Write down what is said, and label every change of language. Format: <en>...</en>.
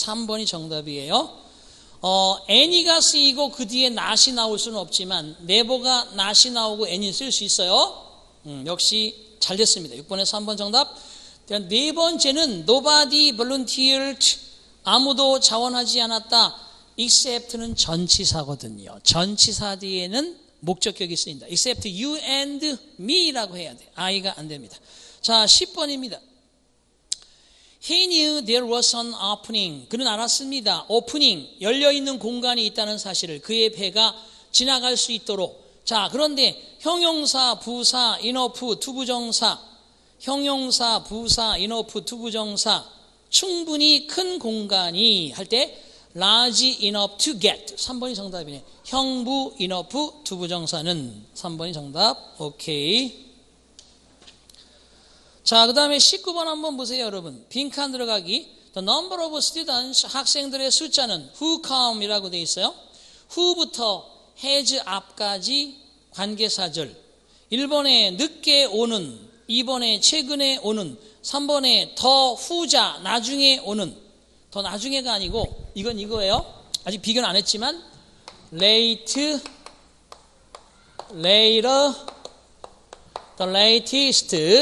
<ko>3번이 정답이에요. any가 쓰이고 그 뒤에 not이 나올 수는 없지만 never가 not이 나오고 any는 쓸 수 있어요. 역시 잘 됐습니다. 6번에 3번 정답. 네 번째는</ko> <en>nobody volunteered,</en> <ko>아무도 자원하지 않았다. except는 전치사거든요. 전치사 뒤에는 목적격이 쓰인다.</ko> <en>except you and me라고</en> <ko>해야 돼. I가 안 됩니다. 자, 10번입니다.</ko> <en>He knew there was an opening.</en> <ko>그는 알았습니다. opening. 열려있는 공간이 있다는 사실을. 그의 배가 지나갈 수 있도록. 자, 그런데 형용사, 부사, enough, 투부정사. 형용사, 부사, enough, 투부정사. 충분히 큰 공간이 할 때</ko> <en>large enough to get.</en> <ko>3번이 정답이네. 형부, enough, 투부정사는. 3번이 정답. 오케이. 자, 그 다음에 19번 한번 보세요, 여러분. 빈칸 들어가기.</ko> <en>The number of students,</en> <ko>학생들의 숫자는</ko> <en>who come</en> <ko>이라고 되어 있어요. who부터 has 앞까지 관계사절. 1번에 늦게 오는, 2번에 최근에 오는, 3번에 더 후자, 나중에 오는. 더 나중에가 아니고, 이건 이거예요. 아직 비교는 안 했지만,</ko> <en>late, later, the latest.</en>